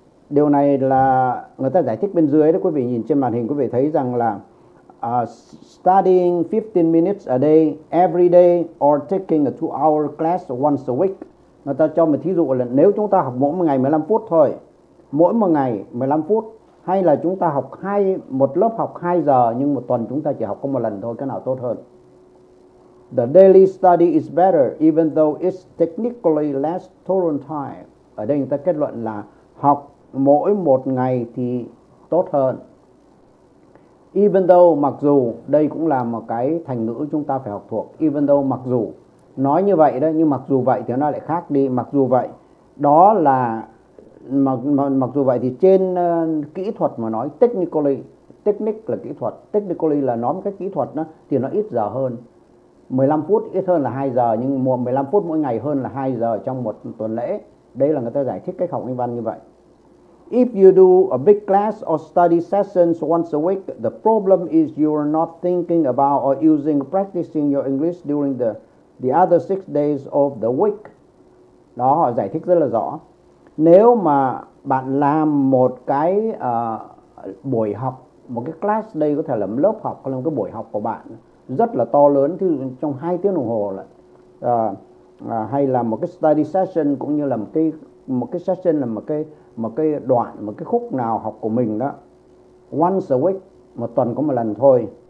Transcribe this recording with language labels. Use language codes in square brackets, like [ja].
[vi] Điều này là người ta giải thích bên dưới đó, quý vị nhìn trên màn hình quý vị thấy rằng là [en] studying 15 minutes a day every day or taking a 2-hour class once a week. [vi] Người ta cho một thí dụ là nếu chúng ta học mỗi một ngày 15 phút thôi, mỗi một ngày 15 phút, hay là chúng ta học một lớp học 2 giờ nhưng một tuần chúng ta chỉ học có một lần thôi, cái nào tốt hơn? [en] The daily study is better even though it's technically less total time. [vi] Ở đây người ta kết luận là học mỗi một ngày thì tốt hơn. [en] Even though, [vi] mặc dù, đây cũng là một cái thành ngữ chúng ta phải học thuộc. [en] Even though, [vi] mặc dù, nói như vậy đó, nhưng mặc dù vậy thì nó lại khác đi. Mặc dù vậy, đó là, mặc dù vậy thì trên kỹ thuật mà nói technically, technique là kỹ thuật, technically là nói một cách kỹ thuật đó, thì nó ít giờ hơn. 15 phút ít hơn là 2 giờ, nhưng 15 phút mỗi ngày hơn là 2 giờ trong một tuần lễ. Đây là người ta giải thích cách học anh văn như vậy. [en] If you do a big class or study sessions once a week, the problem is you're not thinking about or using practicing your English during the other 6 days of the week. [vi] Đó, họ giải thích rất là rõ. Nếu mà bạn làm một cái buổi học, một cái class, đây có thể là một lớp học, có thể là một cái buổi học của bạn rất là to lớn, thì trong 2 tiếng đồng hồ là hay là một cái study session, cũng như là một cái session, là một cái đoạn, một cái khúc nào học của mình đó, [en] once a week, [vi] một tuần có một lần thôi.